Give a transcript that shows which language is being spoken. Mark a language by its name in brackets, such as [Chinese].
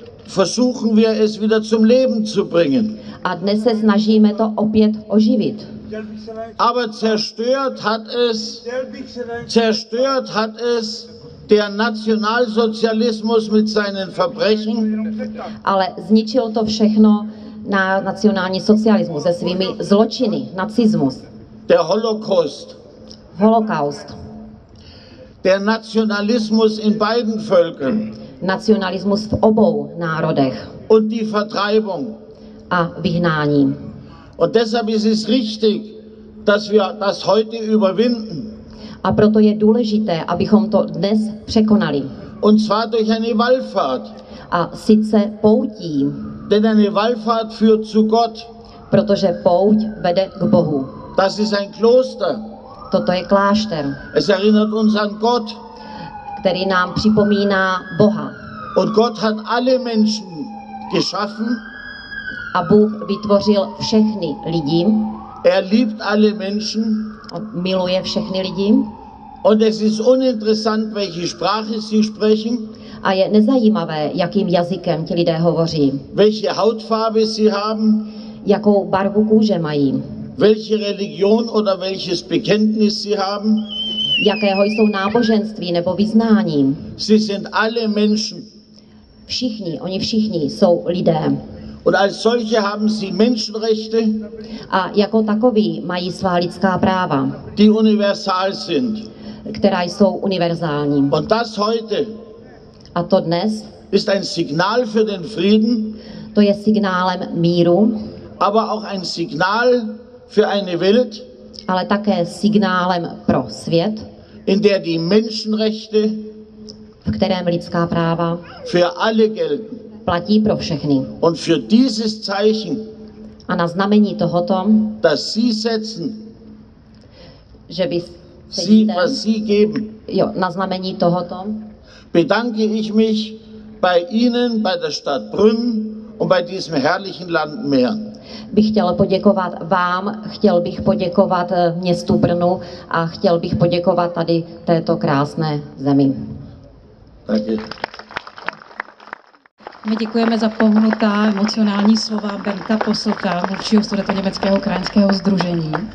[German] versuchen wir es wieder zum Leben zu bringen. [Czech] A dnes se snažíme to opět oživit. [German] Aber zerstört hat es der Nationalsozialismus mit seinen Verbrechen. [Czech] Ale zničil to všechno na nacionální socialismus se svými zločiny, nacismus. [German] Der Holocaust. [Czech] Holocaust. [German] Der Nationalismus in beiden Völkern. [Czech] Nacionalismus v obou národech. [German] Und die Vertreibung. [Czech] A vyhnání. [German] Und deshalb ist es richtig, dass wir das heute überwinden. [Czech] A proto je důležité, abychom to dnes překonali. [German] Und zwar durch eine Wallfahrt. [Czech] A sice poutí. [German] Denn eine Wallfahrt führt zu Gott. [Czech] Protože pouť vede k Bohu. [German] Das ist ein Kloster. [Czech] Toto je klášter. [German] Es erinnert uns an Gott. [Czech] Který nám připomíná Boha. [German] Und Gott hat alle Menschen geschaffen. [Czech] A Bůh vytvořil všechny lidi. [German] Er liebt alle Menschen. [Czech] On miluje všechny lidi. [German] Und es ist uninteressant, welche Sprache sie sprechen. [Czech] A je nezajímavé, jakým jazykem ti lidé hovoří. [German] Welche Hautfarbe sie haben. [Czech] Jakou barvu kůže mají. [German] Welche Religion oder welches Bekenntnis sie haben. [Czech] Jakého jsou náboženství nebo vyznání. [German] Sie sind alle Menschen. [Czech] Všichni, oni všichni jsou lidé. [German] Und als solche haben sie Menschenrechte. [Czech] A jako takoví mají svá lidská práva. [German] Die universal sind. [Czech] Která jsou univerzální. [German] Und das heute. [Czech] A to dnes. [German] Ist ein Signal für den Frieden. [Czech] To je signálem míru. [German] Aber auch ein Signal für eine Welt. [Czech] Ale také signálem pro svět. [German] In der die Menschenrechte. [Czech] V kterém lidská práva. [German] Für alle gelten. [Czech] Platí pro všechny. [German] Und für dieses Zeichen. [Czech] A na znamení tohoto. [German] Dass sie setzen. [Czech] Že by [German] sie, was sie geben. [Czech] Jo, na znamení tohoto. [German] Bedanke ich mich bei Ihnen, bei der Stadt Brünn und bei diesem herrlichen Land Mähren. [Czech] Bych chtěl poděkovat vám, chtěl bych poděkovat městu Brnu a chtěl bych poděkovat tady této krásné zemi. Taky. My děkujeme za pohnutá emocionální slova Bernda Posselta, mluvčího Sudetoněmeckého krajanského sdružení.